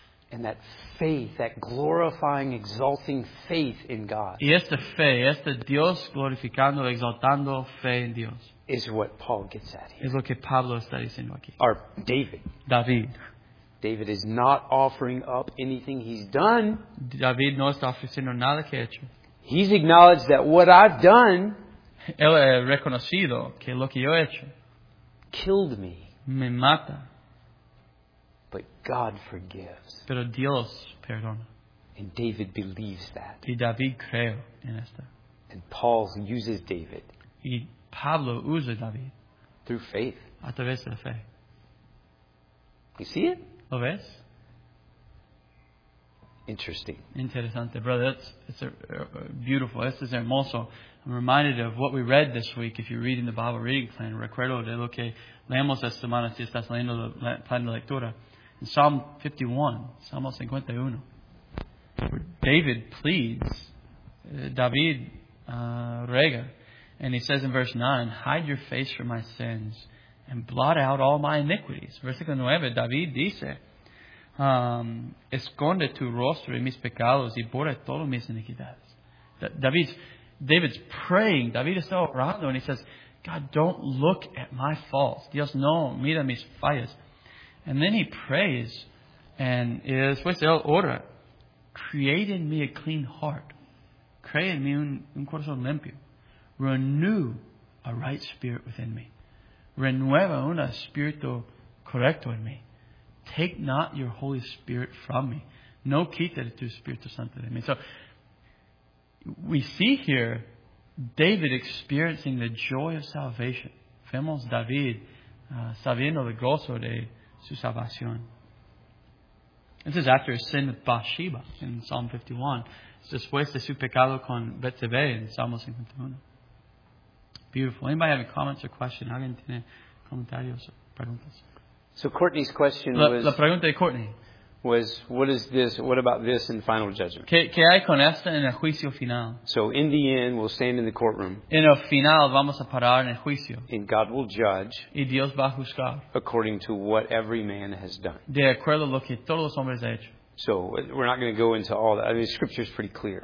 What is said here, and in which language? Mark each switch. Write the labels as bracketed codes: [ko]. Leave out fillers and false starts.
[en] And that faith, that glorifying, exalting faith in God. [es] Y esta fe, este Dios glorificando, exaltando fe en Dios. [en] Is what Paul gets at here. [es] Es lo que Pablo está diciendo aquí. [en] Or David. [es] David. [en] David is not offering up anything he's done. [es] David no está ofreciendo nada que ha hecho. [en] He's acknowledged that what I've done. [es] Él ha reconocido que lo que yo he hecho. [en] Killed me. [es] Me mata. [en] But God forgives. [es] Pero Dios perdona. [en] And David believes that. [es] Y David creo en esto. [en] And Paul uses David. [es] Y Pablo usa David. [en] Through faith. [es] A través de la fe. [en] You see it? [es] ¿Lo ves? [en] interesting. [es] Interesante, brother. [en] It's beautiful. [es] Este es hermoso. [en] I'm reminded of what we read this week. If you're reading the Bible reading plan, [es] recuerdo de lo que leemos esta semana si estás leyendo el plan de lectura. [en] In Psalm 51, [es] Salmo 51, [en] where David pleads, [es] David rega, [en] and he says in verse 9, hide your face from my sins and blot out all my iniquities. [es] Versículo 9, David dice, esconde tu rostro y mis pecados y borra todas mis iniquidades. [en] David's praying. [es] David está orando [en] and he says, God, don't look at my faults. [es] Dios, no, mira mis fallas. [en] And then he prays, and [es] después él ora, [en] create in me a clean heart. [es] Crea en mí un corazón limpio. [en] Renew a right spirit within me. [es] Renueva un espíritu correcto en mí. [en] Take not your Holy Spirit from me. [es] No quita tu Espíritu Santo de mí. [en] So, we see here David experiencing the joy of salvation. [es] Vemos David sabiendo el gozo de su salvación. [en] This is after his sin with Bathsheba in Psalm 51. [es] Después de su pecado con Betsabé [en] in Psalm 51. Beautiful. Anybody have any comments or questions? [es] ¿Alguien tiene comentarios o preguntas? [en] So Courtney's question [es] la pregunta de Courtney [en] was, what is this? What about this in final judgment? [es] ¿Qué hay con esto en el juicio final? [en] So in the end, we'll stand in the courtroom. [es] En el final, vamos a parar en el juicio. [en] And God will judge. [es] Y Dios va a juzgar. [en] According to what every man has done. [es] De acuerdo a lo que todos los hombres han hecho. [en] So we're not going to go into all that. I mean, Scripture is pretty clear.